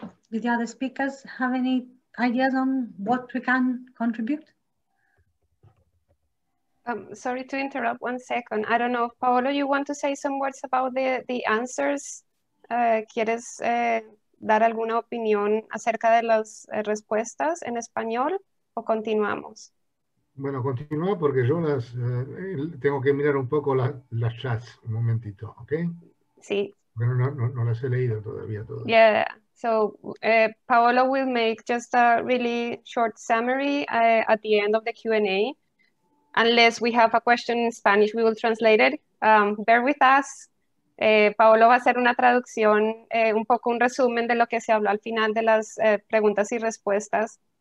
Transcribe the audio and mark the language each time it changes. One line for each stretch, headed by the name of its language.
English: Do the other speakers have any ideas on what we can contribute? Sorry to interrupt one second. I don't know if Paolo, you want to say some words about the answers?
Spanish: ¿Quieres dar alguna opinión acerca de las respuestas en español o continuamos? Bueno, continúa porque yo las tengo que mirar un poco las chats un momentito, ¿ok? Sí. Bueno, no las he leído todavía todas.
English: Yeah. So Paolo will make just a really short summary at the end of the Q&A. Unless we have a question in Spanish, we will translate it. Bear with us.
Spanish: Paolo va a hacer una traducción, un poco un resumen de lo que se habló al final de las preguntas y respuestas.